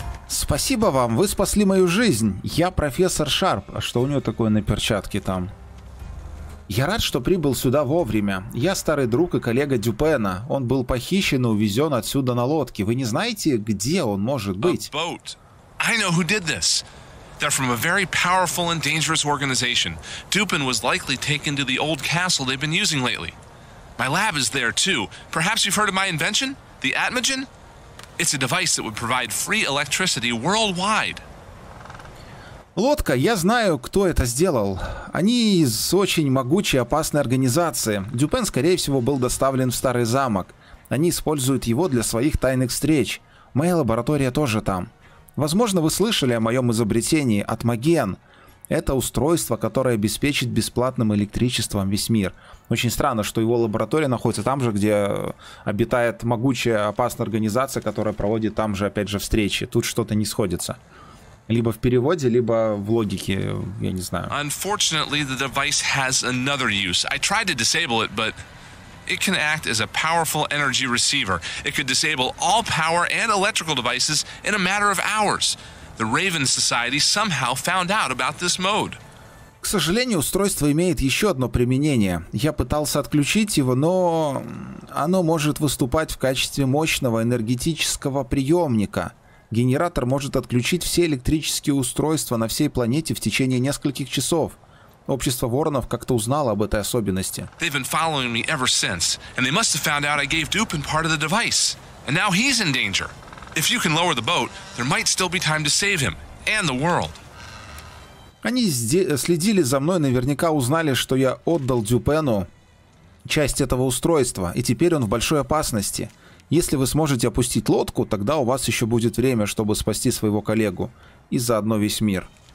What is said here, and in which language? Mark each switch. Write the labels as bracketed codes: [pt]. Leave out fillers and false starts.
[ru] Спасибо вам. Вы спасли мою жизнь. Я профессор Шарп. А что у него такое на перчатке там? Я рад, что прибыл сюда вовремя. Я старый друг и коллега Дюпена. Он был похищен и увезен отсюда на лодке. Вы не знаете, где он может быть? [en] A boat. I know who did this. They're from a very powerful and dangerous organization. Dupin was likely taken to the old castle they've been using lately. My lab is there too. Perhaps you've heard of my invention? The Atmogen? It's a device that would provide free electricity worldwide. [ru] Лодка, я знаю, кто это сделал. Они из очень могучей и опасной организации. Дюпен, скорее всего, был доставлен в старый замок. Они используют его для своих тайных встреч. Моя лаборатория тоже там. Возможно, вы слышали о моем изобретении – Атмоген. Это устройство, которое обеспечит бесплатным электричеством весь мир. Очень странно, что его лаборатория находится там же, где обитает могучая опасная организация, которая проводит там же, опять же, встречи. Тут что-то не сходится. Либо в переводе, либо в логике, я не знаю. [en] Unfortunately, the device has another use. I tried to disable it, but it can act as a powerful energy receiver. It could disable all power and electrical devices in a matter of hours. The Raven Society somehow found out about this mode. [ru] К сожалению, устройство имеет еще одно применение. Я пытался отключить его, но оно может выступать в качестве мощного энергетического приемника. Генератор может отключить все электрические устройства на всей планете в течение нескольких часов. Общество воронов как-то узнало об этой особенности. [en] They've been following me ever since, and they must have found out I gave Dupin part of the device. And now he's in danger. If you can lower the boat, there might still be time to save him and the world. [ru] Они следили за мной, наверняка узнали, что я отдал Дюпену часть этого устройства, и теперь он в большой опасности. Если вы сможете опустить лодку, тогда у вас еще будет время, чтобы спасти своего коллегу. И заодно весь мир.